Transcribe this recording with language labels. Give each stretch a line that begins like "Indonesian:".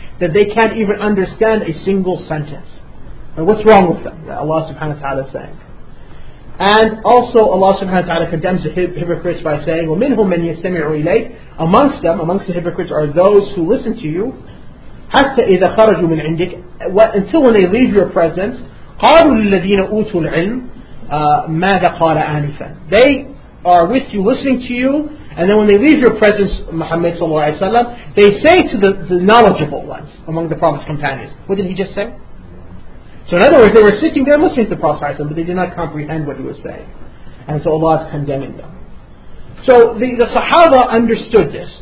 English: That they can't even understand a single sentence. And what's wrong with them? Allah subhanahu wa ta'ala is saying. And also Allah subhanahu wa ta'ala condemns the hypocrites by saying,
Arabic: وَمِنْهُمْ مَنْ يَسْتَمِعُ إِلَيْكَ.
English: Amongst them, amongst the hypocrites, are those who listen to you.
Arabic: حَتَّى إِذَا خَرَجُوا مِنْ عِنْدِكَ.
English: Until when they leave your presence,
Arabic: قَالُوا لِلَّذِينَ أُوتُوا الْعِلْمِ ماذا قال آنفا.
English: They are with you, listening to you, and then when they leave your presence, Muhammad
Arabic: صلى الله عليه وسلم,
English: they say to the knowledgeable ones among the Prophet's companions, what did he just say? So in other words, they were sitting there listening to the Prophet, but they did not comprehend what he was saying. And so Allah is condemning them. So the Sahaba understood this.